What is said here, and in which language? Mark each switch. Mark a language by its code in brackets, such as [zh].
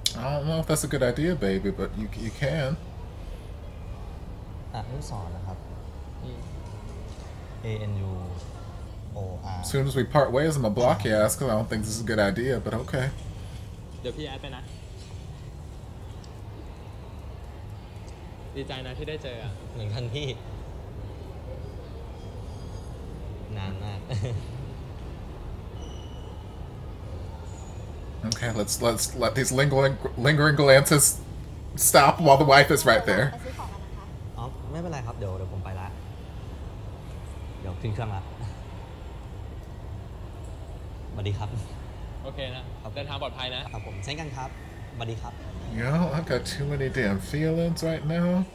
[en] I don't know if that's a good idea baby but you can [th] อ่ะนุสอนนะครับ ANUOR [en] As soon as we part ways I'm gonna block your ass cause I don't think this is a good idea but okay [th] เดี๋ยวพี่แอดไปนะดีใจนะที่ได้เจออ่ะ เหมือนกันพี่นานมาก [en] Okay, let's let these lingering glances stop while the wife is right there. [th] Oh, ไม่เป็นไรครับเดี๋ยวผมไปละเดี๋ยวขึ้นเครื่องละสวัสดีครับ โอเคนะครับเดินทางปลอดภัยนะ ครับผมเช่นกันครับสวัสดีครับ [en] Yo, I've got too many damn feelings right now.